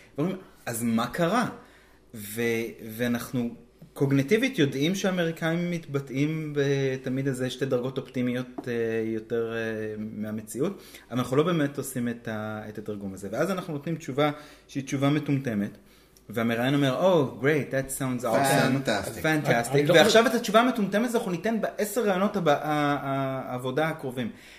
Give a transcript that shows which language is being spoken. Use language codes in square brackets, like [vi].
[he] ואומרים, אז מה קרה? ואנחנו קוגניטיבית יודעים שהאמריקאים מתבטאים בתמיד הזה שתי דרגות אופטימיות יותר מהמציאות, אבל אנחנו לא באמת עושים את התרגום הזה. ואז אנחנו נותנים תשובה שהיא תשובה מטומטמת, והמראיין אומר, [en] oh, great, that sounds awesome. Fantastic. [he] ועכשיו את התשובה המטומטמת הזו אנחנו ניתן בעשר רעיונות העבודה הקרובים.